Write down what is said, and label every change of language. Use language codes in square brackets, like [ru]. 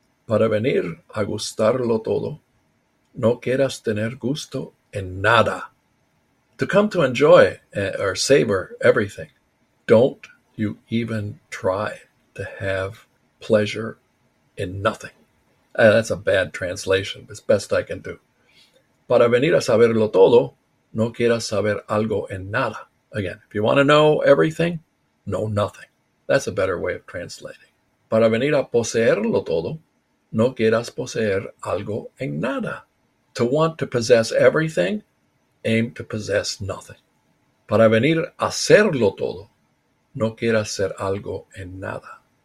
[es] para venir a gustarlo todo. No quieras tener gusto en nada. [en] To come to enjoy or savor everything. Don't you even try to have pleasure in nothing. That's a bad translation, but it's best I can do. [es] Para venir a saberlo todo, no quieras saber algo en nada. [en] Again, if you want to know everything, know nothing. That's a better way of translating. [es] Para venir a poseerlo todo, no quieras poseer algo en nada. [en] To want to possess everything, aim to possess nothing. [es] Para venir a hacerlo todo, no quieras ser algo en nada.